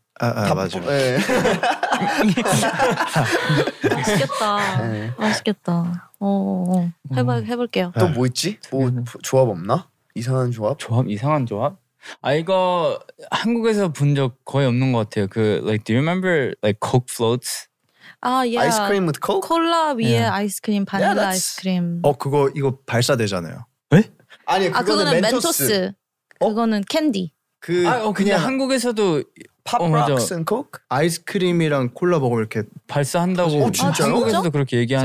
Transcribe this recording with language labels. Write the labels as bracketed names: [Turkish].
[Korean] 아, 맞아요. 네. 맛있겠다. 네. 맛있겠다. 해볼게요. 또 뭐 있지? 뭐 조합 없나? 이상한 조합? 조합 이상한 조합? 아 이거 한국에서 본 적 거의 없는 것 같아요. [English] 그 like do you remember like Coke floats? [Korean] 아, yeah. [English] 아이스크림 with Coke? [Korean] 콜라 위에 yeah. 아이스크림, 바닐라 yeah, 아이스크림. 어 그거 이거 발사되잖아요. 왜? 아니 그거는, 아, 그거는 멘토스. 멘토스. 그거는 어? 캔디. 그 아, 어, 근데 한국에서도 [English] 팝 록슨 코크 [Korean] 아이스크림이랑 콜라 먹으면 이렇게 발사한다고. 어, 진짜요? 한국에서도 그렇게 얘기한.